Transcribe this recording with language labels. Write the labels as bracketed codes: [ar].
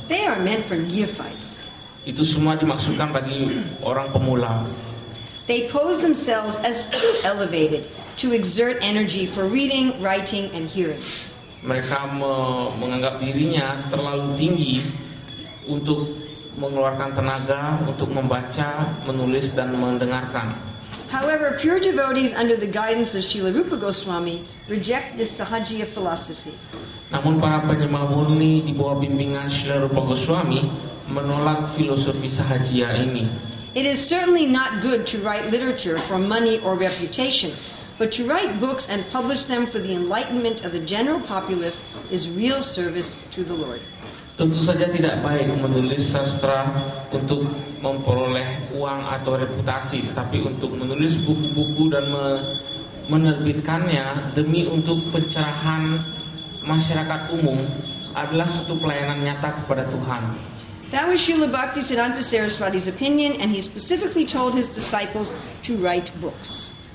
[en] They are meant for neophytes. [id] Itu semua dimaksudkan bagi orang pemula. [en] They pose themselves as too elevated to exert energy for reading, writing, and hearing. [id] Mereka menganggap dirinya terlalu tinggi untuk mengeluarkan tenaga untuk membaca, menulis, dan mendengarkan. [en] However, pure devotees under the guidance of Srila Rupa Goswami reject this sahajiya philosophy. [id] Namun para penyembah murni di bawah bimbingan Srila Rupa Goswami menolak filosofi sahajiya ini. [en] It is certainly not good to write literature for money or reputation, but to write books and publish them for the enlightenment of the general populace is real service to the Lord. [id] Tentu saja tidak baik menulis sastra untuk memperoleh uang atau reputasi, tetapi untuk menulis buku-buku dan menerbitkannya demi untuk pencerahan masyarakat umum adalah suatu pelayanan nyata kepada Tuhan. [en] That was Srila Bhaktisiddhanta Sarasvati's opinion, and he specifically told his disciples to write books.